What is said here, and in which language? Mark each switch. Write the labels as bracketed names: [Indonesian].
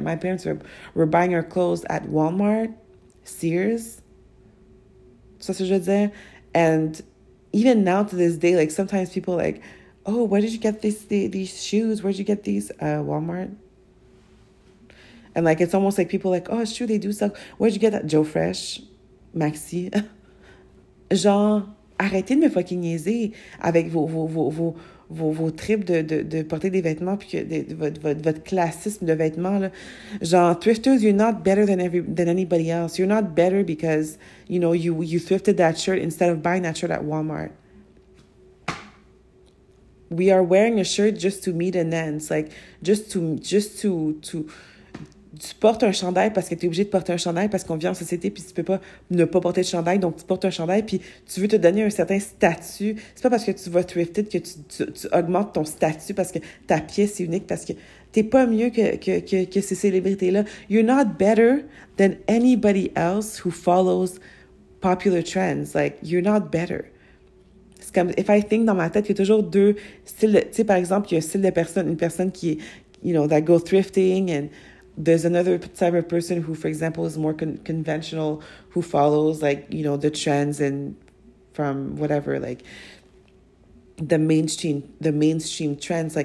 [English] My parents were buying our clothes at Walmart, Sears. [French] Ça, c'est ce que je veux dire. [English] And... Even now to this day, like, sometimes people, like, "Oh, where did you get these shoes? Where did you get these? Walmart." And like, it's almost like people are like, "Oh, it's true, they do suck. Where'd you get that? Joe Fresh, Maxi." [French] Genre, arrêtez de me fucking niaiser avec vos tripes de porter des vêtements, puis votre classisme de vêtements, là. [English] Genre, thrifters, you're not better than anybody else. You're not better because, you know, you thrifted that shirt instead of buying that shirt at Walmart. We are wearing a shirt just to meet an end. It's like, just to [French] tu portes un chandail parce que tu es obligé de porter un chandail parce qu'on vit en société, puis tu peux pas ne pas porter de chandail, donc tu portes un chandail, puis tu veux te donner un certain statut. C'est pas parce que tu vas thrifted que tu augmentes ton statut parce que ta pièce est unique, parce que t'es pas mieux que ces célébrités-là. [English] You're not better than anybody else who follows popular trends. Like, you're not better. [French] C'est comme, [English] if I think [French] dans ma tête, il y a toujours deux styles. Tu sais, par exemple, il y a un style de personne, une personne qui, [English] you know, that go thrifting, and there's another type of person who, for example, is more conventional, who follows, like, you know, the trends and from whatever, like, the mainstream trends.